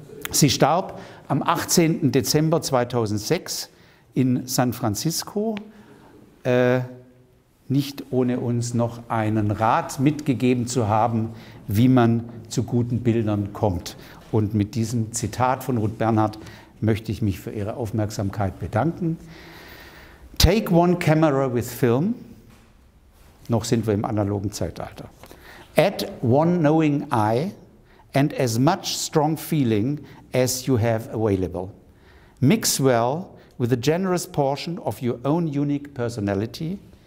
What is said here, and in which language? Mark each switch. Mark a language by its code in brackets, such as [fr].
[de] Sie starb am 18. Dezember 2006 in San Francisco. Nicht ohne uns noch einen Rat mitgegeben zu haben, wie man zu guten Bildern kommt. Und mit diesem Zitat von Ruth Bernhardt möchte ich mich für Ihre Aufmerksamkeit bedanken. [en] Take one camera with film. [de] Noch sind wir im analogen Zeitalter. [en] Add one knowing eye and as much strong feeling as you have available. Mix well with a generous portion of your own unique personality.